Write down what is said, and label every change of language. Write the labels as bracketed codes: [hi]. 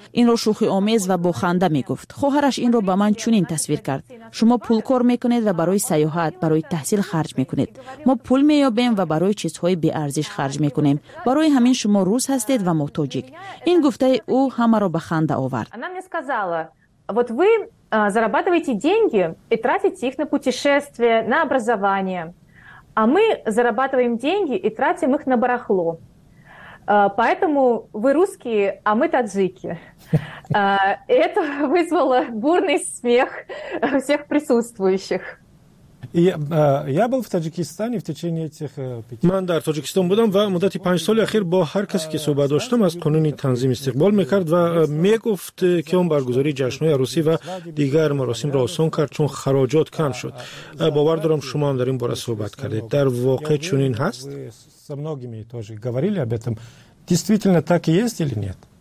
[fa] این را شوخی آمیز و بخنده می گفت. خواهرش این را به من چنین تصویر کرد. شما پول کار می کنید و برای سیاحت، برای تحصیل خرج می کنید. ما پول می یابیم و برای چیزهای بی ارزش خرج می کنیم. برای همین شما روس هستید و ما تاجیک. این گفته او همه را به خنده آورد. [ru] Она мне сказала: "Вот вы зарабатываете деньги и тратите их на путешествия, на образование. А мы зарабатываем деньги и тратим их на барахло. Поэтому вы русские, а мы таджики". Это вызвало бурный смех всех присутствующих. Я был в Таджикистане в течение этих 5 [tg] Ман дар Таджикистан будам ва муддати 5 соли ахир бо ҳар касе ки суҳбат доштам аз қонуни танзим истиқбол мекард ва мегуфт ки он баргузори ҷашнҳои арусӣ ва дигар маросимро осон кард чун хароҷот кам шуд. Бовар дорам шумо ҳам дар ин бора суҳбат кардед. Дар воқеъ чунин ҳаст? [ru] Со многими тоже говорили об этом. Действительно так и есть или нет?